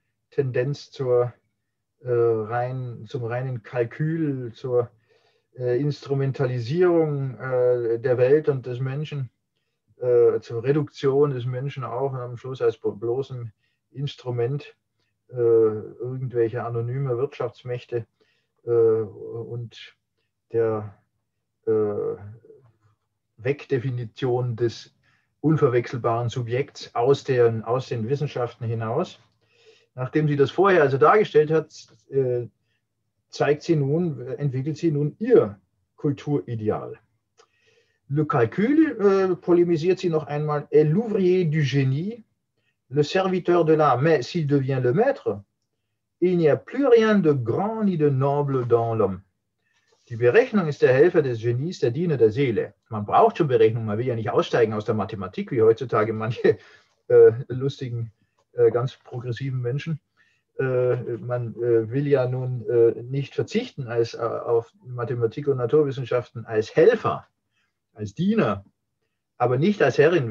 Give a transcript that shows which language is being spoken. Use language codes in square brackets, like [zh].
[de] Tendenz zum reinen Kalkül, zur Instrumentalisierung der Welt und des Menschen, zur Reduktion des Menschen auch am Schluss als bloßem Instrument irgendwelcher anonymer Wirtschaftsmächte und der Wegdefinition des unverwechselbaren Subjekts aus den Wissenschaften hinaus. Nachdem sie das vorher also dargestellt hat, entwickelt sie nun ihr Kulturideal. [fr] Le calcul, [de] polemisiert sie noch einmal, [fr] est l'ouvrier du génie, le serviteur de l'art, mais s'il devient le maître, il n'y a plus rien de grand ni de noble dans l'homme. [de] Die Berechnung ist der Helfer des Genies, der Diener der Seele. Man braucht schon Berechnung, man will ja nicht aussteigen aus der Mathematik, wie heutzutage manche lustigen, ganz progressiven Menschen. Man will ja nun nicht verzichten als, auf Mathematik und Naturwissenschaften als Helfer, als Diener, aber nicht als Herrin.